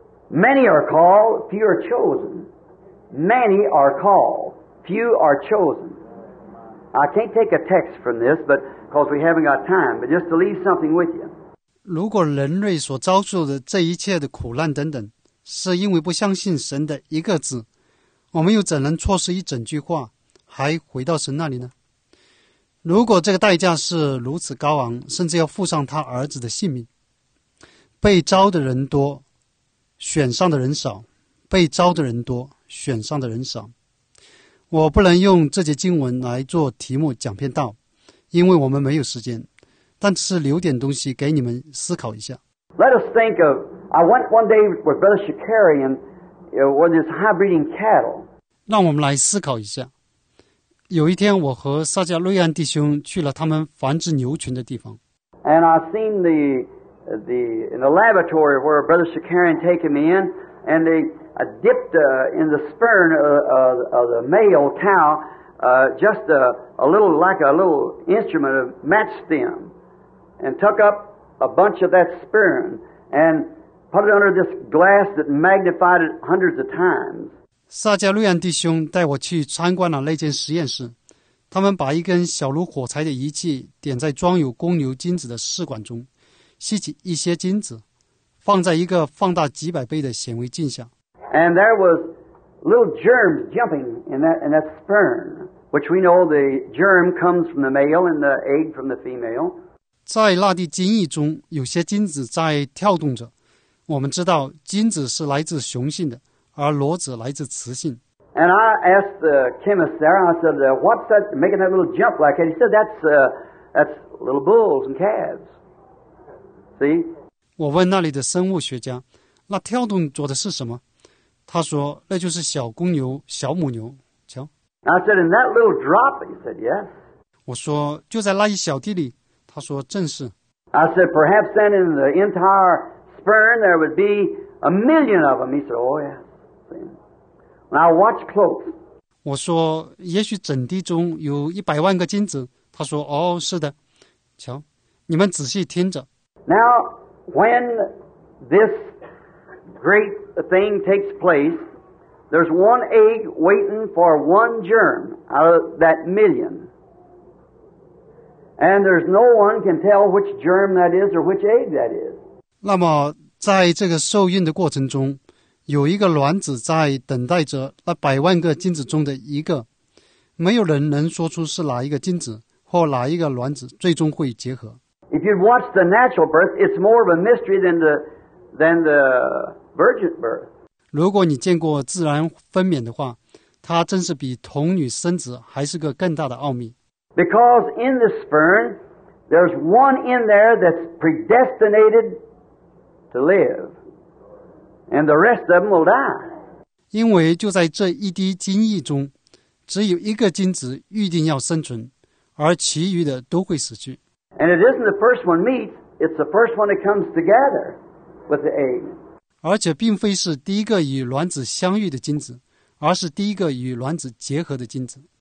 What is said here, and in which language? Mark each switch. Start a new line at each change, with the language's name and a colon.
English: Many are called, few are chosen. Many are called, few are chosen. I can't take a text from this, but because we haven't got time, but just to leave something with you.
Chinese: 如果人类所遭受的这一切的苦难等等，是因为不相信神的一个字，我们又怎能错失一整句话，还回到神那里呢？如果这个代价是如此高昂，甚至要付上他儿子的性命，被招的人多，选上的人少，被招的人多，选上的人少。我不能用这节经文来做题目讲篇道，因为我们没有时间，但只是留点东西给你们思考一下。
English: Let us think of, I went one day with Brother Shikari and with his high breeding cattle.
Chinese: 让我们来思考一下。有一天我和撒迦瑞安弟兄去了他们繁殖牛群的地方。
English: And I seen the in the laboratory where Brother Shikari had taken me in, and they dipped in the sperm of the male cow just a little, like a little instrument of match stem, and took up a bunch of that sperm and put it under this glass that magnified it hundreds of times.
Chinese: 撒迦瑞安弟兄带我去参观了那间实验室，他们把一根小如火柴的仪器点在装有公牛精子的试管中，吸起一些精子，放在一个放大几百倍的显微镜下。
English: And there was little germs jumping in that sperm, which we know the germ comes from the male and the egg from the female.
Chinese: 在那滴精液中，有些精子在跳动着。我们知道精子是来自雄性的，而裸子来自雌性。
English: And I asked the chemist there. I said, "What's that making that little jump like?" And he said, "That's little bulls and calves." See?
Chinese: 我问那里的生物学家，那跳动着的是什么？他说那就是小公牛小母牛瞧。
English: I said, in that little drop? He said, yes.
Chinese: 我说就在那一小滴里。他说正是。
English: I said, perhaps then in the entire sperm there would be a million of them. He said, oh yes. Now watch close.
Chinese: 我说也许整滴中有100万个精子。他说哦是的。瞧你们仔细听着。
English: Now when this great the thing takes place, there's one egg waiting for one germ out of that million. And there's no one can tell which germ that is or which egg that is.
Chinese: 那么在这个受孕的过程中，有一个卵子在等待着那百万个精子中的一个，没有人能说出是哪一个精子或哪一个卵子最终会结合。
English: If you watch the natural birth, it's more of a mystery than the virgin birth.
Chinese: 如果你见过自然分娩的话，它真是比童女生子还是个更大的奥秘。
English: Because in the sperm, there's one in there that's predestinated to live, and the rest of them will die.
Chinese: 因为就在这一滴精液中，只有一个精子预定要生存，而其余的都会死去。
English: And it isn't the first one meets; it's the first one that comes together with the egg.
Chinese: 而且并非是第一个与卵子相遇的精子，而是第一个与卵子结合的精子。